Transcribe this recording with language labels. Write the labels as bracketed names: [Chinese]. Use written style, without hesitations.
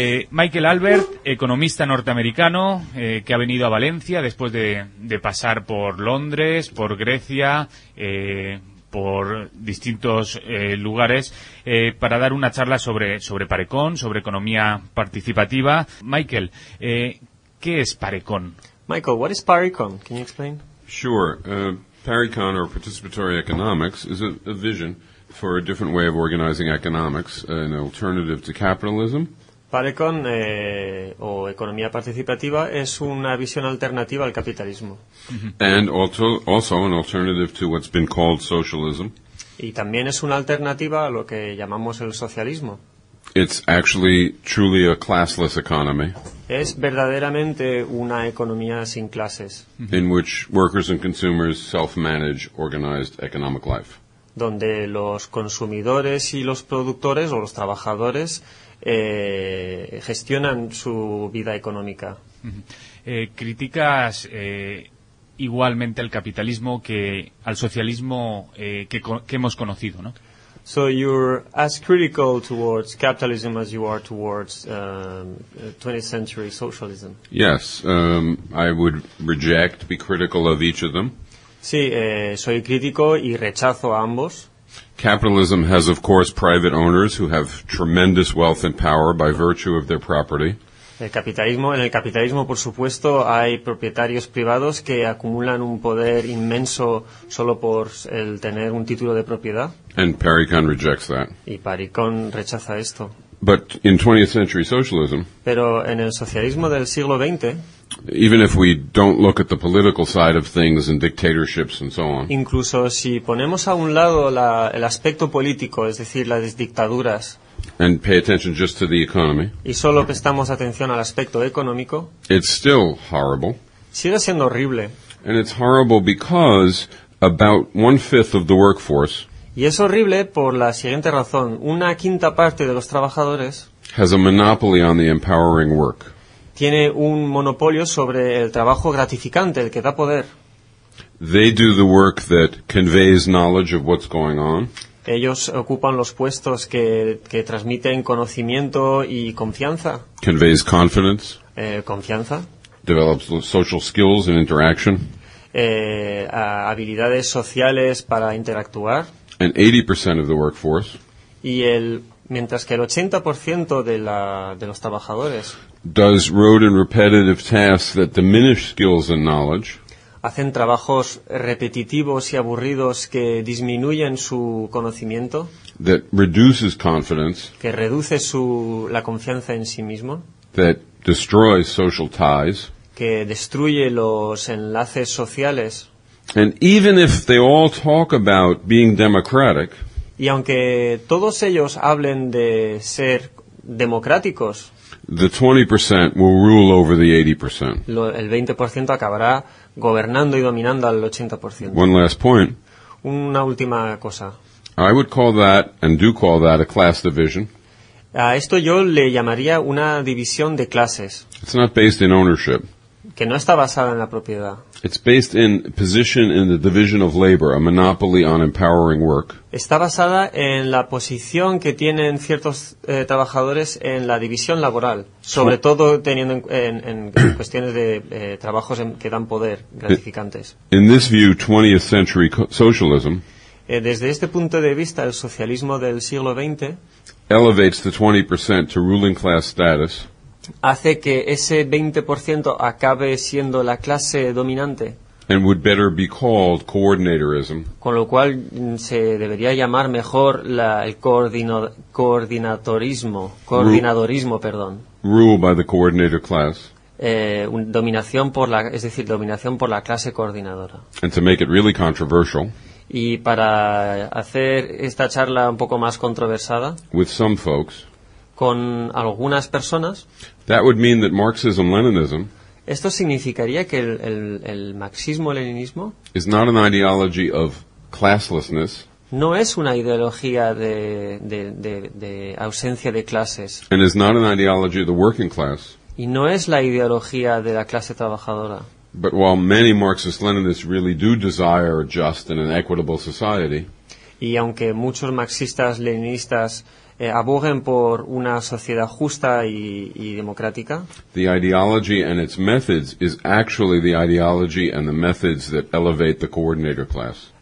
[Spanish] Michael Albert, economista norteamericano que ha venido a Valencia después de pasar por Londres, por Grecia, por distintos lugares, para dar una charla sobre PARECON, sobre economía participativa. Michael, ¿qué es PARECON? [English] Michael, what is PARECON? Can you explain? Sure. PARECON, or participatory economics, is a vision for a different way of organizing economics, an alternative to capitalism. [Spanish] PARECON, o economía participativa, es una visión alternativa al capitalismo. [English] And also an alternative to what's been called socialism. [Spanish] Y también es una alternativa a lo que llamamos el socialismo. [English] It's actually truly a classless economy. [Spanish] Es verdaderamente una economía sin clases. [English] In which workers and consumers self-manage organized economic life. [Spanish] Donde los consumidores y los productores o los trabajadores gestionan su vida económica. ¿Criticas igualmente al capitalismo que al socialismo que hemos conocido, ¿no? [English] So you're as critical towards capitalism as you are towards 20th century socialism. Yes, I would reject, be critical of each of them. [Spanish] Sí, soy crítico y rechazo a ambos. [English] Capitalism has, of course, private owners who have tremendous wealth and power by virtue of their property. [Spanish] En el capitalismo, por supuesto, hay propietarios privados que acumulan un poder inmenso solo por el tener un título de propiedad. [English] And PARECON rejects that. [Spanish] Y PARECON rechaza esto. [English] But in 20th century socialism, [Spanish] pero en el socialismo del siglo XX, [English] even if we don't look at the political side of things and dictatorships and so on, [Spanish] incluso si ponemos a un lado el aspecto político, es decir, las dictaduras, [English] and pay attention just to the economy, [Spanish] y solo prestamos atención al aspecto económico, [English] it's still horrible. [Spanish] Sigue siendo horrible. [English] And it's horrible because about one-fifth of the workforce, [Spanish] y es horrible por la siguiente razón. Una quinta parte de los trabajadores [English] has a monopoly on the empowering work. [Spanish] Tiene un monopolio sobre el trabajo gratificante, el que da poder. [English] They do the work that conveys knowledge of what's going on. [Spanish] Ellos ocupan los puestos que transmiten conocimiento y confianza. [English] Conveys confidence. [Spanish] Confianza. [English] Develops social skills and interaction. [Spanish] Habilidades sociales para interactuar. [English] And 80% of the workforce. [Spanish] Y mientras que el 80% de los trabajadores [English] does rote and repetitive tasks that diminish skills and knowledge. [Spanish] Hacen trabajos repetitivos y aburridos que disminuyen su conocimiento. [English] That reduces confidence. [Spanish] Que reduce la confianza en sí mismo. [English] That destroys social ties. [Spanish] Que destruye los enlaces sociales. [English] And even if they all talk about being democratic, [Spanish] y aunque todos ellos hablen de ser democráticos, [English] the 20% will rule over the 80%. [Spanish] El 20% acabará gobernando y dominando al 80%. [English] One last point. [Spanish] Una última cosa. [English] I would call that, and do call that, a class division. [Spanish] A esto yo le llamaría una división de clases. [English] It's not based in ownership. [Spanish] Que no está basada en la propiedad. [English] It's based in position in the division of labor, a monopoly on empowering work. [Spanish] Está basada en la posición que tienen ciertos trabajadores en la división laboral, sobre todo teniendo en cuestiones de trabajos que dan poder, gratificantes. [English] In this view, 20th century socialism, [Spanish] desde este punto de vista, el socialismo del siglo XX [English] elevates the 20% to ruling class status. [Spanish] hace que ese 20% acabe siendo la clase dominante. [English] And would better be called coordinatorism. [Spanish] Con lo cual se debería llamar mejor el coordinadorismo, perdón. [English] Rule by the coordinator class. [Spanish] Dominación por la clase coordinadora. [English] And to make it really controversial. [Spanish] Y para hacer esta charla un poco más controversada. [English] With some folks. [Spanish] Con algunas personas. [English] That would mean that Marxism-Leninism. [Spanish] Esto significaría que el marxismo-leninismo [English] is not an ideology of classlessness, [Spanish] no es una ideología de ausencia de clases, [English] and is not an ideology of the working class, [Spanish] y no es la ideología de la clase trabajadora. [English] But while many Marxist-Leninists really do desire a just and an equitable society, [Spanish] y aunque muchos marxistas-leninistas abogen por una sociedad justa y democrática. [English] The ideology and its methods is actually the ideology and the methods that elevate the coordinator class.